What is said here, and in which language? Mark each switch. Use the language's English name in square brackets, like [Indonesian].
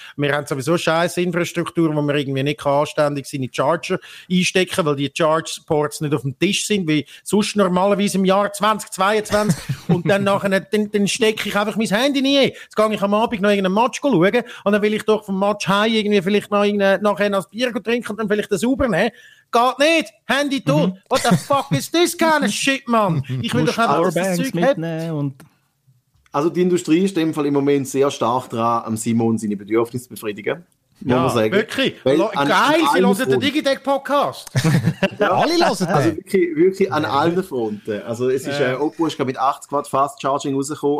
[German] Wir haben sowieso scheiß Infrastruktur, wo man irgendwie nicht anständig seine Charger einstecken kann, weil die Charge-Ports nicht auf dem Tisch sind, wie sonst normalerweise im Jahr 2022 und dann nachher, dann stecke ich einfach mein Handy nie. Jetzt gehe ich am Abend noch irgendeinen Match schauen und dann will ich doch vom Match heim irgendwie vielleicht noch nachher noch ein Bier trinken und dann vielleicht das Uber. Nee, geht nicht! Handy tot! [English] What the fuck is this kind of shit, man? [German] Ich will doch einfach, dass das Zeug Also die Industrie ist in dem Fall im Moment sehr stark dran, am Simon seine Bedürfnisse zu befriedigen. Ja, wirklich. Geil, sie hören den Digitec-Podcast. Alle hören den. Also wirklich an allen Fronten. Also es ist Oppo ist mit 80 Watt Fast Charging rausgekommen.